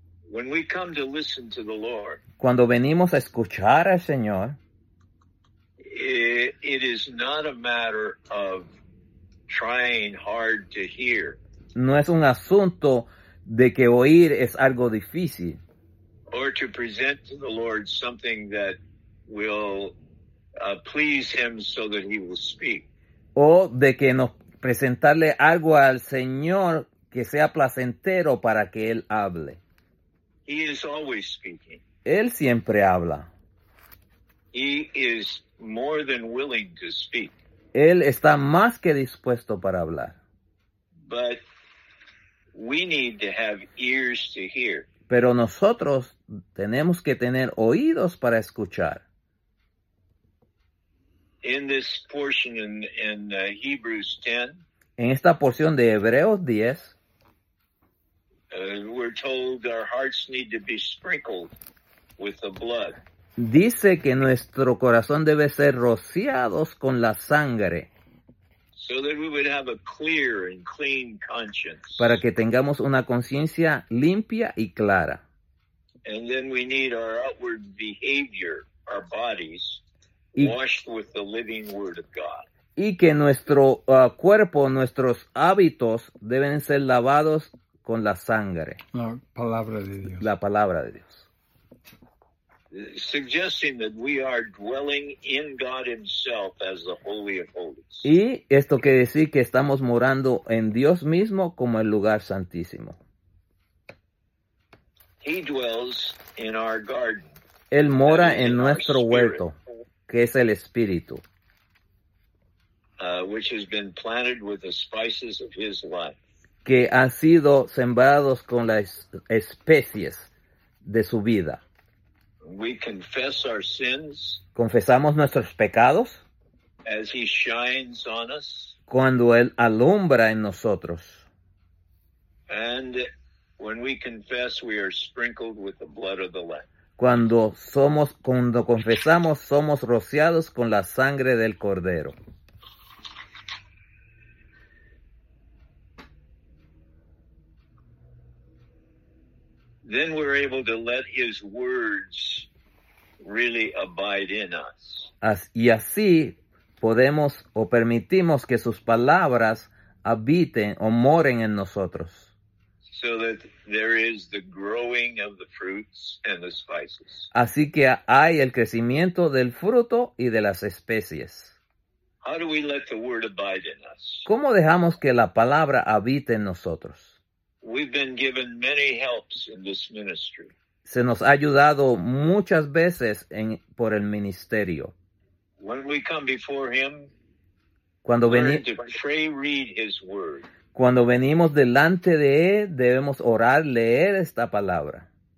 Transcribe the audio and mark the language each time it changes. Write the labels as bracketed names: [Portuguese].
[English] When we come to listen to the Lord, [Spanish] cuando venimos a escuchar al Señor, [English] it is not a matter of trying hard to hear. [Spanish] No es un asunto de que oír es algo difícil. [English] Or to present to the Lord something that will please him so that he will speak. [Spanish] O de que nos presentarle algo al Señor que sea placentero para que Él hable. [English] He is always speaking. [Spanish] Él siempre habla. [English] He is more than willing to speak. [Spanish] Él está más que dispuesto para hablar. [English] But we need to have ears to hear. [Spanish] Pero nosotros tenemos que tener oídos para escuchar. [English] In this portion in Hebrews 10. [Spanish] En esta porción de Hebreos 10. [English] We're told our hearts need to be sprinkled with the blood. [Spanish] Dice que nuestro corazón debe ser rociados con la sangre. [English] So that we would have a clear and clean conscience. [Spanish] Para que tengamos una conciencia limpia y clara. [English] And then we need our outward behavior, our bodies. Washed with the living word of God. [Spanish] Y que nuestro cuerpo, nuestros hábitos deben ser lavados con la sangre. La palabra de Dios. La palabra de Dios. [English] suggesting that we are dwelling in God himself as the Holy of Holies. [Spanish] Y esto quiere decir que estamos morando en Dios mismo como el lugar santísimo. [English] He dwells in our garden. [Spanish] Él mora en nuestro huerto, que es el Espíritu. [English] Which has been planted with the spices of his life. [Spanish] Que han sido sembrados con las especies de su vida. [English] We confess our sins. [Spanish] Confesamos nuestros pecados. [English] As he shines on us. [Spanish] Cuando él alumbra en nosotros. [English] And when we confess, we are sprinkled with the blood of the Lamb. [Spanish] Cuando confesamos, somos rociados con la sangre del Cordero. [English] Then we're able to let his words really abide in us. [Spanish] Y así podemos o permitimos que sus palabras habiten o moren en nosotros. [English] So that there is the growing of the fruits and the spices. [Spanish] Así que hay el crecimiento del fruto y de las especies. [English] How do we let the word abide in us? [Spanish] ¿Cómo dejamos que la palabra habite en nosotros? [English] We've been given many helps in this ministry. [Spanish] Se nos ha ayudado muchas veces por el ministerio. [English] When we come before him, [Spanish] cuando [English] read his word. [Spanish] Cuando venimos delante de él, debemos orar, leer esta palabra.